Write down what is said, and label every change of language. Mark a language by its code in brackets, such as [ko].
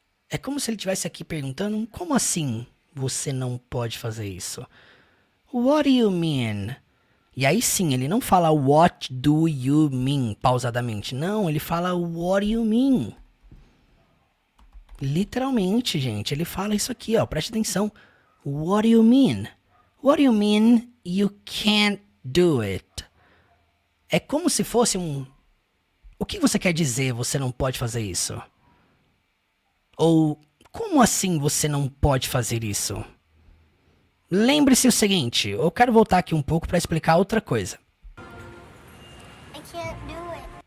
[pt] É como se ele estivesse aqui perguntando, como assim você não pode fazer isso? [en] What do you mean? [pt] E aí sim, ele não fala [en] what do you mean [pt] pausadamente. Não, ele fala [en] what do you mean? [pt] Literalmente, gente, ele fala isso aqui, ó, preste atenção. [en] What do you mean? What do you mean you can't do it? [pt] É como se fosse um... O que você quer dizer, você não pode fazer isso? Ou como assim você não pode fazer isso? Lembre-se o seguinte, eu quero voltar aqui um pouco para explicar outra coisa. [en] I can't do it.